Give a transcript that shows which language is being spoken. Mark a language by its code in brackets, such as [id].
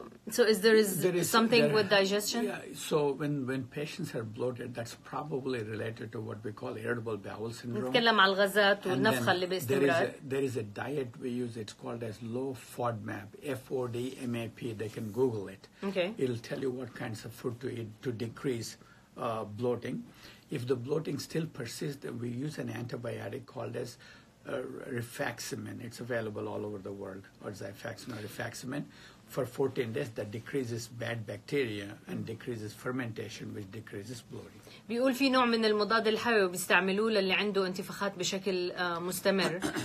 [en] So is there something with digestion? Yeah. So when patients are bloated, that's probably related to what we call irritable bowel syndrome. [ar] نتكلم على الغازات والنفخة اللي باستمرار. [en] There is a diet we use. It's called as low FODMAP. FODMAP. They can Google it. Okay. It'll tell you what kinds of food to eat to decrease bloating. If the bloating still persists, then we use an antibiotic called as rifaximin. It's available all over the world, or Xifaxan or rifaximin, for 14 days. That decreases bad bacteria and decreases fermentation, which decreases bloating. [ar] بيقول في نوع من المضاد الحيوي بيستعملوه للي عنده انتفاخات بشكل مستمر.